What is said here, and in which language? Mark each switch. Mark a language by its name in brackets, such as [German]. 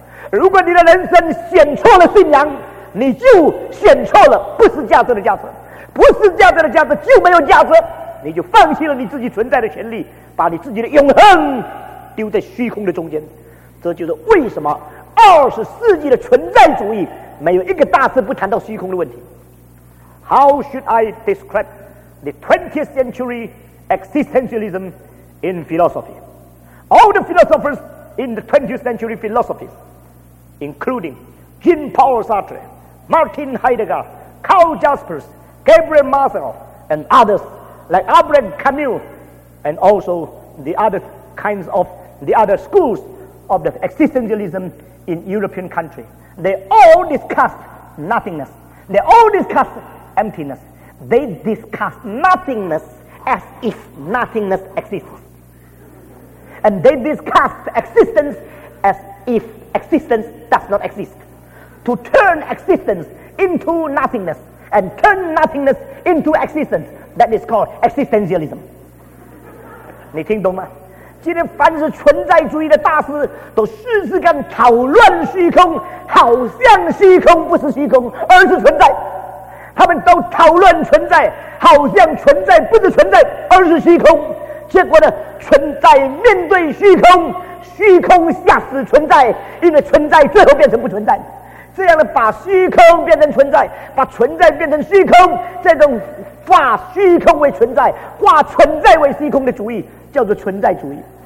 [Chinese] 如果你的人生选错了信仰，你就选错了不是价值的价值。不是价值的价值就没有价值，你就放弃了你自己存在的权利，把你自己的永恒丢在虚空的中间。这就是为什么20世纪的存在主义没有一个大师不谈到虚空的问题。 [English] How should I describe the 20th century existentialism in philosophy? All the philosophers in the 20th century philosophies, including Jean-Paul Sartre, Martin Heidegger, Carl Jaspers, Gabriel Marcel, and others like Albert Camus, and also the other kinds of the other schools of the existentialism in European countries. They all discussed nothingness. They all discussed emptiness. They discussed nothingness as if nothingness exists. And they discussed existence as if existence does not exist. To turn existence into nothingness and turn nothingness into existence, that is called existentialism. [Chinese] 你听懂吗？今天凡是存在主义的大师都试试看讨论虚空，好像虚空不是虚空而是存在，他们都讨论存在，好像存在不是存在而是虚空，结果呢，存在面对虚空，虚空吓死存在，因为存在最后变成不存在，这样的把虚空变成存在，把存在变成虚空，这种化虚空为存在，化存在为虚空的主义叫做存在主义。